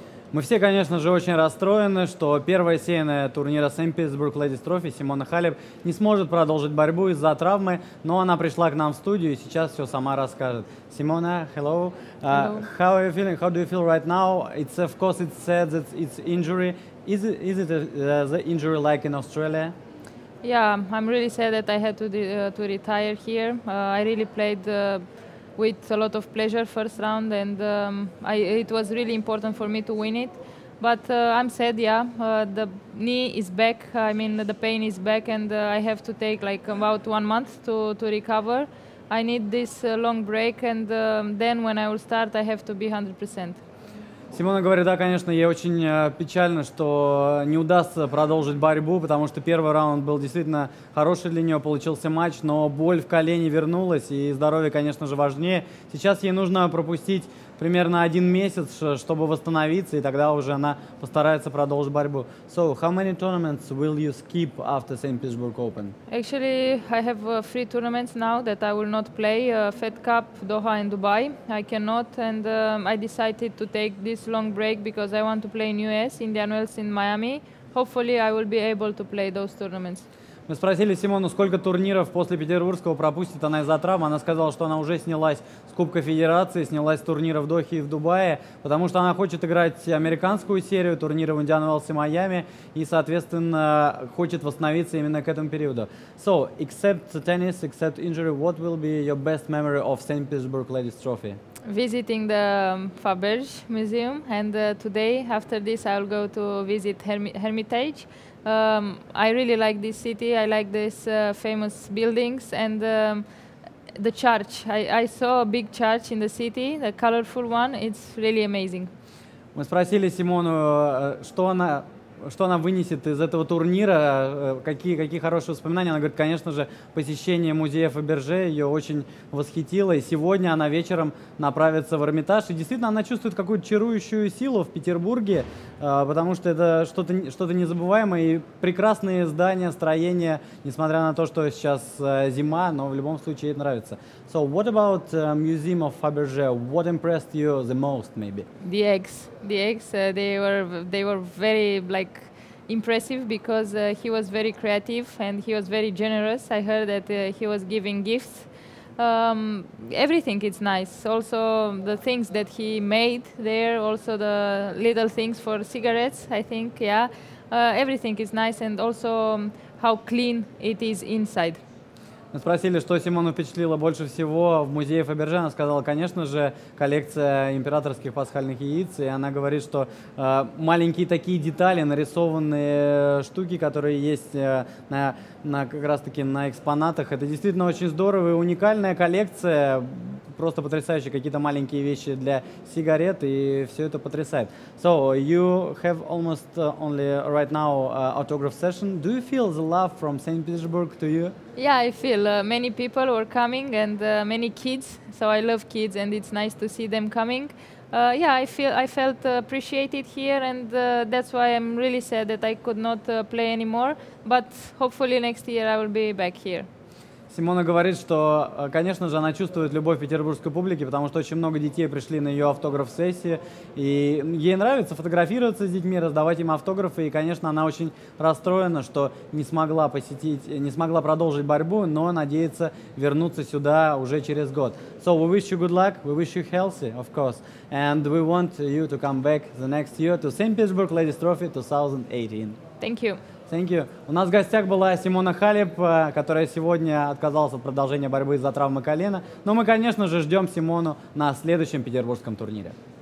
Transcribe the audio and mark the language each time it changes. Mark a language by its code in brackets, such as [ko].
[ru] Мы все, конечно же, очень расстроены, что первая сеянная турнира St. Petersburg Ladies Trophy Симона Халеп не сможет продолжить борьбу из-за травмы, но она пришла к нам в студию и сейчас все сама расскажет. [en] Симона, hello. Hello. How are you feeling? How do you feel right now? It's of course it's sad that it's injury. Is it the injury like in Australia? Yeah, I'm really sad that I had to retire here. I really played with a lot of pleasure first round, and it was really important for me to win it. But I'm sad, yeah. The knee is back. I mean, the pain is back, and I have to take like about 1 month to recover. I need this long break, and then when I will start, I have to be 100%. [ru] Симона говорит, да, конечно, ей очень печально, что не удастся продолжить борьбу, потому что первый раунд был действительно хороший для нее, получился матч, но боль в колене вернулась, и здоровье, конечно же, важнее. Сейчас ей нужно пропустить примерно один месяц, чтобы восстановиться, и тогда уже она постарается продолжить борьбу. [en] So, how many tournaments will you skip after St. Petersburg Open? Actually, I have three tournaments now that I will not play. Fed Cup, Doha and Dubai. I cannot, and I decided to take this long break because I want to play in US, Indian Wells, in Miami. Hopefully, I will be able to play those tournaments. [ru] Мы спросили Симону, сколько турниров после Петербургского пропустит она из-за травмы. Она сказала, что она уже снялась с Кубка Федерации, снялась с турнира в Дохе и в Дубае, потому что она хочет играть американскую серию, турниры в Indian Wells и Майами, и, соответственно, хочет восстановиться именно к этому периоду. [en] So, except the tennis, except injury, what will be your best memory of St. Petersburg Ladies Trophy? Visiting the Faberge Museum, and today, after this, I will go to visit Hermitage. I really like this city, I like these famous buildings, and the church. I saw a big church in the city, a colorful one, it's really amazing. [ru] Мы спросили Симону, что она вынесет из этого турнира, какие хорошие воспоминания. Она говорит, конечно же, посещение музея Фаберже ее очень восхитило. И сегодня она вечером направится в Эрмитаж. И действительно, она чувствует какую-то чарующую силу в Петербурге, потому что это что-то незабываемое. И прекрасные здания, строения, несмотря на то, что сейчас зима, но в любом случае ей нравится. [en] So, what about Museum of Faberge? What impressed you the most, maybe? The eggs. The eggs, they were very, like, impressive because he was very creative and he was very generous. I heard that he was giving gifts. Everything is nice. Also, the things that he made there, also the little things for cigarettes, I think, yeah. Everything is nice, and also how clean it is inside. [ru] Мы спросили, что Симону впечатлило больше всего в музее Фаберже. Она сказала, конечно же, коллекция императорских пасхальных яиц. И она говорит, что маленькие такие детали, нарисованные штуки, которые есть как раз-таки на экспонатах, это действительно очень здорово и уникальная коллекция. Просто потрясающие какие-то маленькие вещи для сигарет, и все это потрясает. [en] So, you have almost only right now autograph session. Do you feel the love from St. Petersburg to you? Yeah, I feel. Many people were coming and many kids. So, I love kids and it's nice to see them coming. I felt appreciated here, and that's why I'm really sad that I could not play anymore. But hopefully next year I will be back here. [ru] Симона говорит, что, конечно же, она чувствует любовь петербургской публики, потому что очень много детей пришли на ее автограф-сессии. И ей нравится фотографироваться с детьми, раздавать им автографы. И, конечно, она очень расстроена, что не смогла продолжить борьбу, но надеется вернуться сюда уже через год. [en] So we wish you good luck, we wish you healthy, of course. And we want you to come back the next year to St. Petersburg Ladies Trophy 2018. Thank you. Thank you. [ru] У нас в гостях была Симона Халеп, которая сегодня отказалась от продолжения борьбы из-за травмы колена. Но мы, конечно же, ждем Симону на следующем петербургском турнире.